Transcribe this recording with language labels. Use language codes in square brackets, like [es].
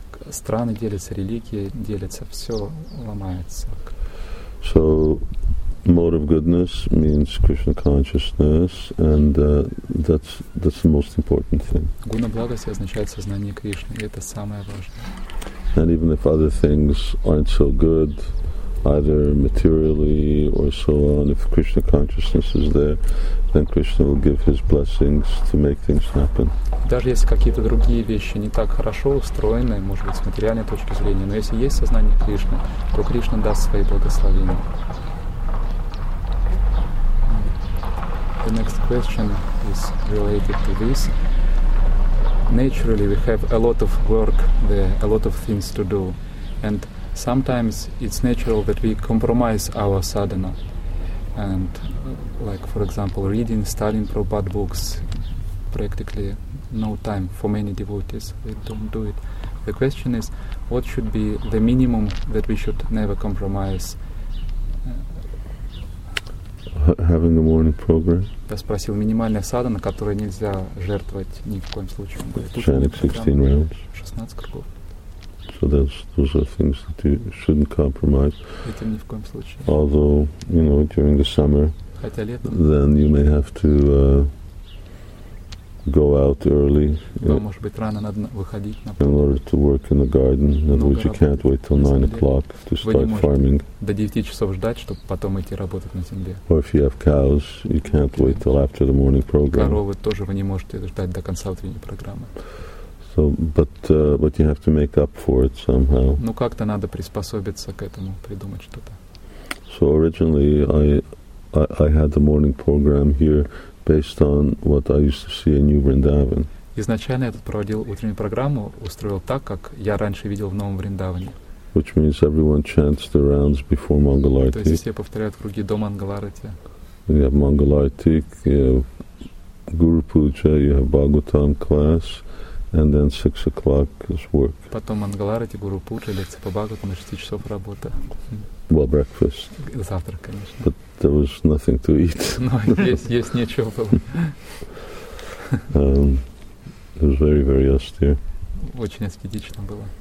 [ru] Страны делятся, религии делятся, все ломается. [en] So, mode of goodness means Krishna consciousness, and that's the most important thing. [ru] Гуна благости означает сознание Кришны, и это самое важное. [en] And even if other things aren't so good, either materially or so on, if Krishna consciousness is there, then Krishna will give his blessings to make things happen. [ru] Даже если какие-то другие вещи не так хорошо устроены, может быть, с материальной точки зрения, но если есть сознание Кришны, то Кришна даст свои благословения. [en] The next question is related to this. Naturally, we have a lot of work there, a lot of things to do. And sometimes it's natural that we compromise our sadhana. And like, for example, reading, studying Prabhupada books, practically no time for many devotees, they don't do it. The question is, what should be the minimum that we should never compromise? Having a morning program. [ru] Я спросил, минимальная садхана, которой нельзя жертвовать ни в коем случае. Он говорит, [en] chanting 16 rounds. [ru] 16 кругов. [en] So those are things that you shouldn't compromise. [ru] Этим ни в коем случае. [en] Although, you know, during the summer, [ru] хотя летом, [en] then you may have to go out early in order to work in the garden, in which you can't wait till 9 o'clock to start farming. [ru] До 9 часов ждать, чтобы потом идти работать на земле. [en] Or if you have cows, you can't wait till after the morning program. [ru] Коровы тоже вы не можете ждать до конца утренней программы. [en] So, but you have to make up for it somehow. [ru] Ну как-то надо приспособиться к этому, придумать что-то. [en] So originally I had the morning program here based on what I used to see in New Vrindavan. [ru] Изначально я тут проводил утреннюю программу, устроил так, как я раньше видел в Новом Вриндаване. [en] Which means everyone chants the rounds before Mangalarti. [ru] То есть все повторяют круги до Мангаларти. [en] You have Mangalarti, you have Guru Puja, you have Bhagavatam class, and then 6 o'clock is work. [ru] Потом Мангаларти, Гуру Пуджа, лекция по Бхагаватам, 6 часов работа. [en] Well, breakfast. [ru] Завтрак, конечно. [en] But there was nothing to eat. [ru] Но есть нечего было. [en] It was very, very austere. [ru] Очень аскетично было.